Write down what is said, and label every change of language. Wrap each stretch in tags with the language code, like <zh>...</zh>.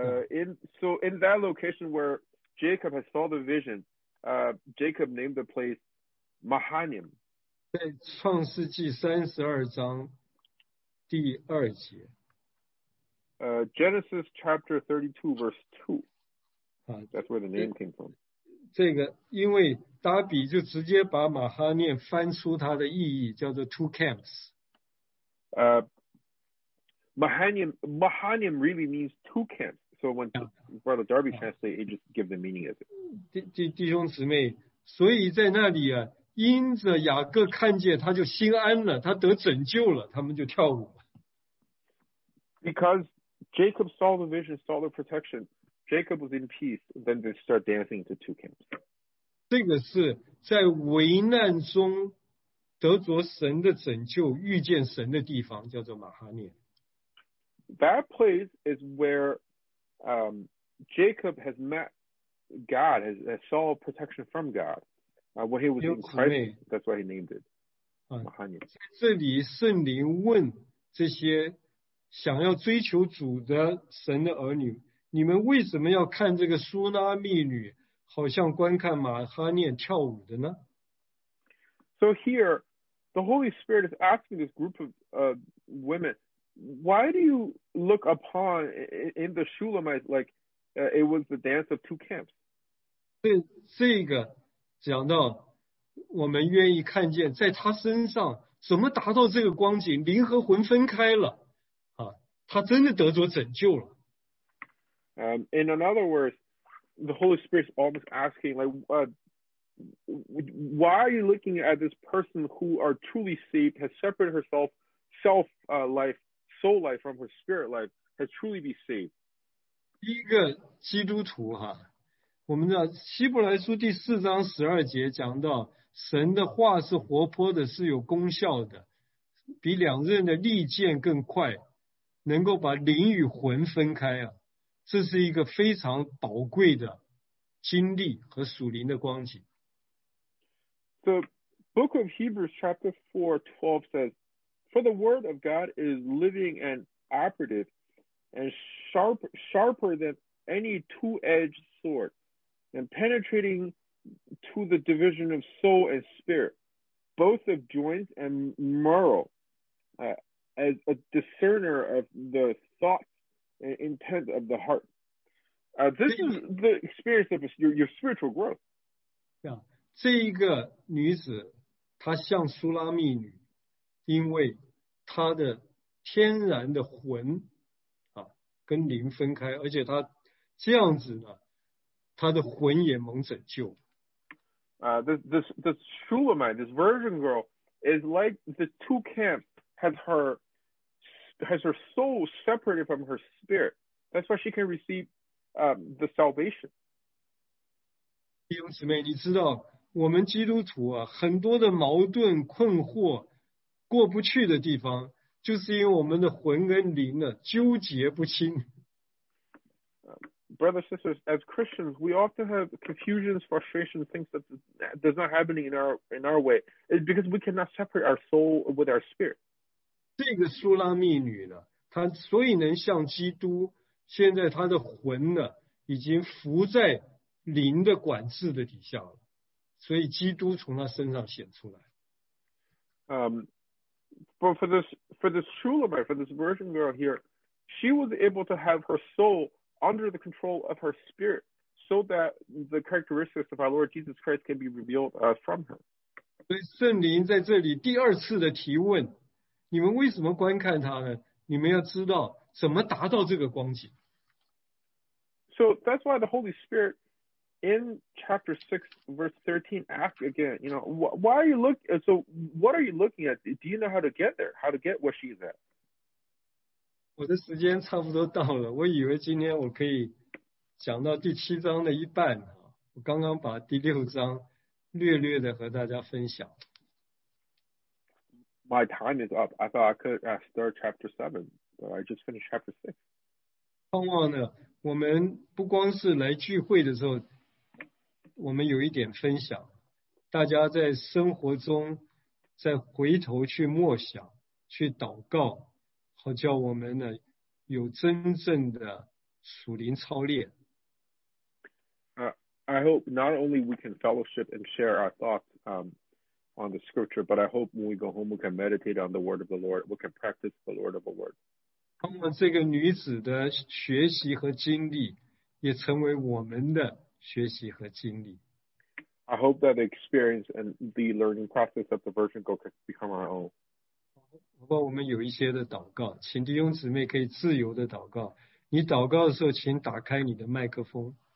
<en>In that location where Jacob has saw the vision, Jacob named the place Mahanaim.</en> <zh>在创世纪32:2。</zh> <en>Genesis chapter 32:2. That's where the name came from.</en> <zh>这个因为达比就直接把马哈念翻出它的意义，叫做</zh> <en>two camps. Mahanaim really means two camps. So when Brother Darby translates, he just gives the meaning of it.</en> <zh>弟兄姊妹，所以在那里啊，因着雅各看见，他就心安了，他得拯救了，他们就跳舞了。</zh> <en>Because Jacob saw the vision, saw the protection. Jacob was in peace. Then they start dancing into two camps.</en> <zh>这个是在危难中得着神的拯救、遇见神的地方，叫做马哈念。</zh> <en>That place is where Jacob has met God, has saw protection from God. When he was in Christ, that's why he named it Mahanaim.</en> <zh>这里圣灵问这些想要追求主的神的儿女，你们为什么要看这个苏拉密女好像观看马哈念跳舞的呢？</zh> <en>So here, the Holy Spirit is asking this group of women, why do you look upon in the Shulamites like it was the dance of two camps?</en> <zh>这个讲到我们愿意看见在他身上怎么达到这个光景，灵和魂分开了。他真的得着拯救了。</zh> <en>In other words, the Holy Spirit is almost asking, like, why are you looking at this person who are truly saved, has separated herself, self-life, soul life from her spirit life, has truly been saved?</en> <zh>第一个基督徒哈，我们知道希伯来书第四章十二节讲到，神的话是活泼的，是有功效的，比两刃的利剑更快。能够把灵与魂分开啊，这是一个非常宝贵的经历和属灵的光景。</zh> <en>The book of Hebrews chapter 4:12 says, For the word of God is living and operative and sharper than any two-edged sword and penetrating to the division of soul and spirit, both of joints and marrow, as a discerner of the thoughts and intent of the heart. This is the experience of your spiritual growth.</en> <zh>Yeah, 这一个女子她像苏拉密女，因为她的天然的魂啊跟灵分开，而且她这样子呢，她的魂也蒙拯救。</zh> <en>This Shulamite, this virgin girl, is like the two camps has her soul separated from her spirit. That's why she can receive the salvation.</en> <zh>弟兄姊妹，你知道我们基督徒啊，很多的矛盾、困惑、过不去的地方，就是因为我们的魂跟灵呢纠结不清。</zh> <en>Brothers, sisters, as Christians, we often have confusions, frustrations, things that does not happen in our way. It's because we cannot separate our soul with our spirit.</en> <zh>这个苏拉密女呢，她所以能像基督，现在她的魂呢已经浮在灵的管制的底下了，所以基督从她身上显出来。</zh> <en>But for this Shulamite, for this virgin girl here, she was able to have her soul under the control of her spirit so that the characteristics of our Lord Jesus Christ can be revealed from her.</en> <zh>所以圣灵在这里第二次的提问，你们为什么观看他呢？你们要知道怎么达到这个光景。</zh> <en>So that's why the Holy Spirit in chapter 6 verse 13 asked again, you know, why are you looking, so what are you looking at? Do you know how to get there? How to get where she's at?</en> <zh>我的时间差不多到了，我以为今天我可以讲到第七章的一半，我刚刚把第六章略略的和大家分享。</zh> <en>My time is up. I thought I could start chapter 7, but I just finished chapter 6.</en> <zh>盼望呢，我们不光是来聚会的时候，我们有一点分享，大家在生活中再回头去默想，去祷告，好叫我们呢有真正的属灵操练。</zh> <en>I hope not only we can fellowship and share our thoughts on the scripture, but I hope when we go home we can meditate on the word of the Lord, we can practice the Lord of the word.</en> <zh>通过这个女子的学习和经历，也成为我们的学习和经历。</zh> <en>I hope that the experience and the learning process of the virgin girl can become our own.</en> <zh>如果我们有一些的祷告，请弟兄姊妹可以自由的祷告。你祷告的时候，请打开你的麦克风。</zh>